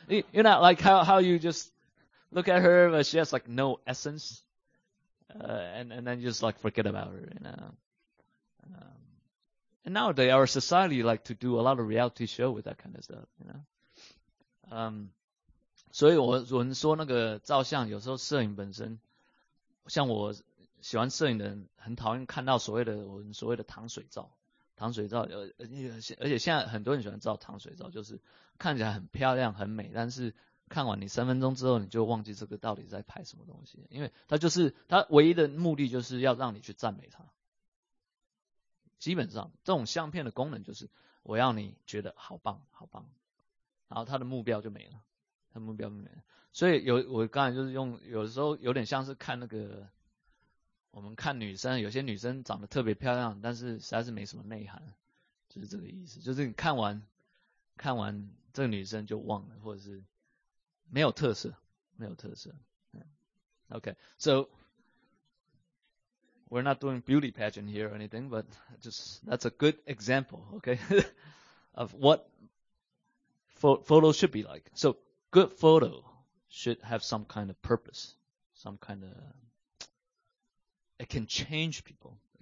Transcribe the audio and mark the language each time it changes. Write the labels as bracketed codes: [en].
[en] You know, like how you just look at her, but she has like no essence. And then you just like forget about her, you know. And nowadays our society like to do a lot of reality show with that kind of stuff, you know. [zh] 所以我们说那个照相有时候摄影本身，像我喜欢摄影的人很讨厌看到所谓的糖水照，而且现在很多人喜欢照糖水照，就是看起来很漂亮很美，但是看完你三分钟之后，你就忘记这个到底在拍什么东西，因为它就是它唯一的目的就是要让你去赞美它。基本上，这种相片的功能就是我要你觉得好棒好棒，然后它的目标就没了，它的目标就没了。所以我刚才就是用，有时候有点像是看那个，我们看女生，有些女生长得特别漂亮，但是实在是没什么内涵，就是这个意思，就是你看完这个女生就忘了，或者是。没有特色，没有特色。 [en] Okay, so we're not doing beauty pageant here or anything, but just that's a good example, okay, of what photos should be like. So good photo should have some kind of purpose, some kind of, it can change people.